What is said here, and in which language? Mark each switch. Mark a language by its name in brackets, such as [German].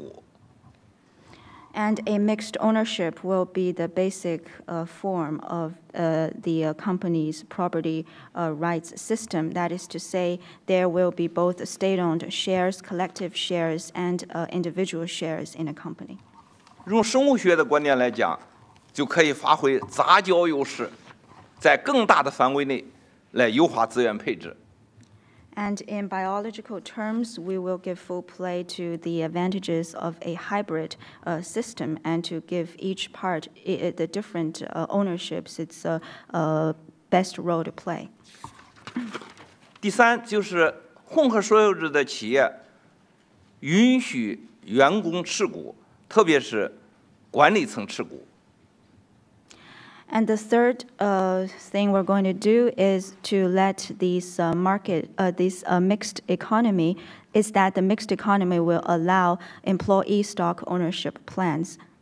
[Chinese] 混合所有制将成为企业的主要的产权组织形式，也就是说，一个企业可能既有国有股，又有集体股，又有个人股，又有外资股。 [English] And a mixed ownership will be the basic form of the company's property rights system. That is to say, there will be both state-owned shares, collective shares, and individual shares in a company. [Chinese] 用生物学的观点来讲。就可以发挥杂交优势，在更大的范围内来优化资源配置。 [English] And in biological terms, we will give full play to the advantages of a hybrid system and to give each part the different ownerships its best role to play. [Chinese] 第三就是混合所有制的企业允许员工持股，特别是管理层持股。 [English] And the third thing we're going to do is to let these mixed economy, is that the mixed economy will allow employee stock ownership plans.